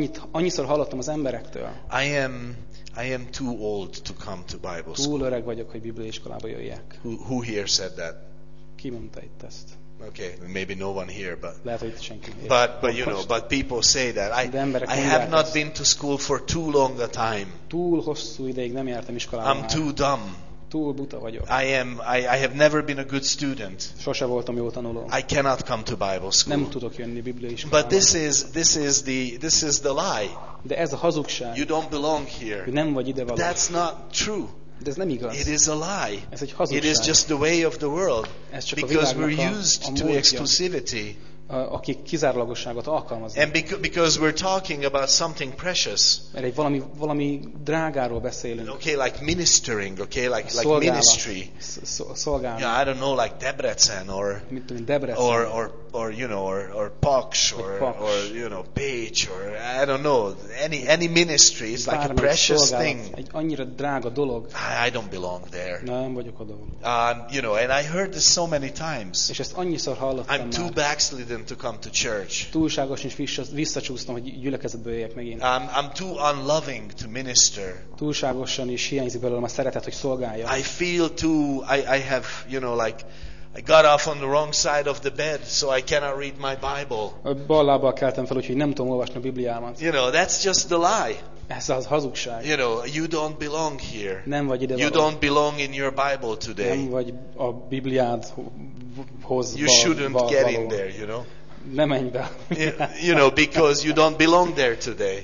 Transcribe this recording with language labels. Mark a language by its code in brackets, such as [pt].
[hu] Annyiszor hallottam az emberektől. [en] I am too old to come to Bible school. [hu] Túl öreg vagyok, hogy Biblia iskolába jöjjek. [en] Who here said that? [hu] Ki mondta itt ezt? [en] Okay, maybe no one here, but [hu] lehet, hogy itt senki. [en] But you know, but people say that. I have not been to school for too long a time. [hu] Túl hosszú ideig nem jártam iskolába. [en] I'm too dumb. [hu] Túl buta vagyok. [en] I have never been a good student. [hu] Sose voltam jó tanuló. [en] I cannot come to Bible school. [hu] Nem tudok jönni Biblia iskolába. [en] But this is the lie. [hu] De ez a hazugság. [en] You don't belong here. [hu] Nem vagy ide való. [en] That's not true. [hu] De ez nem igaz. [en] It is a lie. [hu] Ez egy hazugság. [en] It is just the way of the world. [hu] Ez csak [en] because [hu] a világnak [en] we're used [hu] a [en] to exclusivity. [hu] Akik kizárólagosságot alkalmaznak. [en] And because we're talking about something precious. [hu] Mert egy valami drágáról beszélünk. [en] Okay, like ministering, okay, like ministry. [hu] Szolgálat. [en] Yeah, I don't know, like Debrecen or [hu] Debrecen. [en] Or you know, or Paks, or [hu] Paks, [en] or you know, Pécs, or I don't know, any ministry is like a precious [hu] szolgálat. [en] Thing. [hu] Egy annyira drága dolog. [en] I don't belong there. [hu] Nem vagyok oda. [en] You know, and I heard this so many times. [hu] És ezt annyiszor hallottam. [en] I'm too backslidden to come to church. [hu] Túlságosan visszacsúsztam, hogy gyülekezetbe jöjjek megint. [en] I'm too unloving to minister. [hu] Túlságosan is hiányzik belőlem a szeretet, hogy szolgáljak. [en] I feel too. I have, you know, like. I got off on the wrong side of the bed, so I cannot read my Bible. [hu] Bal lábbal keltem fel, úgyhogy nem tudom olvasni a Bibliámat. [en] You know, that's just the lie. [hu] Ez az hazugság. [en] You know, you don't belong here. [hu] Nem vagy ide. [en] You don't belong in your Bible today. [hu] Nem vagy a Bibliádhoz való. [en] You shouldn't get in there, you know. [hu] Nem menj be. [en] You know, because you don't belong there today.